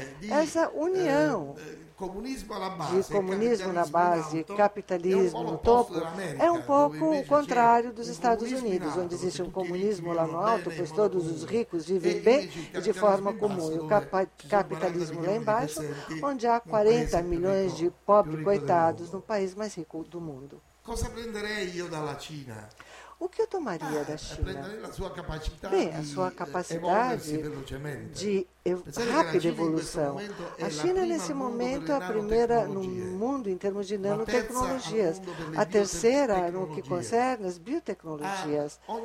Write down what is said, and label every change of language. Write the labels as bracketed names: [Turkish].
[Portuguese] Essa união de comunismo na base e capitalismo no topo é um pouco o contrário dos Estados Unidos, onde existe um comunismo lá no alto, pois todos os ricos vivem bem e de forma comum, e o capitalismo lá embaixo, onde há 40 milhões de pobres coitados no país mais rico do mundo. [Italian] Cosa prenderei io dalla Cina? [Portuguese] O que eu tomaria da China? Bem, a sua capacidade de rápida evolução. A China, nesse momento, é a primeira no mundo em termos de nanotecnologias. A terceira no que concerne as biotecnologias.